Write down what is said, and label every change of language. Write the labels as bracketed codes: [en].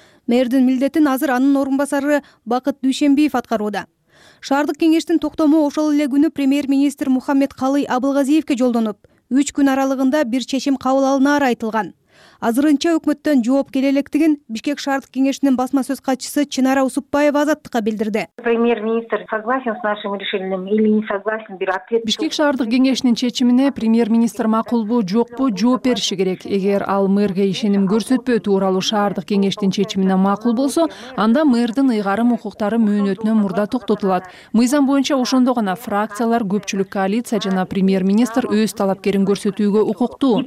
[ky] Мэрдин милдетин азыр анын орун басары Бакыт Дүйшөнбиев аткарууда. Шаардык кеңештин токтому ошол эле күнү премьер-министр Мухаммед Калый Абылгазиевке жолдонуп, 3 күн аралыгында бир чечим кабыл алынаар айтылган. Азырынча өкмөттөн жооп келе электигин Бишкек шаардык кеңешинин басма сөз катчысы Чынара Усупбаева Азаттыкка билдирди. [ru] Премьер-министр согласен с нашим решением или не согласен, бир ответ. [ky] Бишкек шаардык кеңешинин чечимине премьер-министр макулбу, жокпу жооп бериши керек. Эгер ал мэрге ишеним көрсөтпөө тууралуу шаардык кеңештин чечимине макул болсо, анда мэрдин ыйгарым укуктары мөөнөтүнө мурда токтотулат. Мыйзам боюнча ошондо гана фракциялар, көпчүлүк коалиция жана премьер-министр өз талапкерин көрсөтүүгө укуктуу.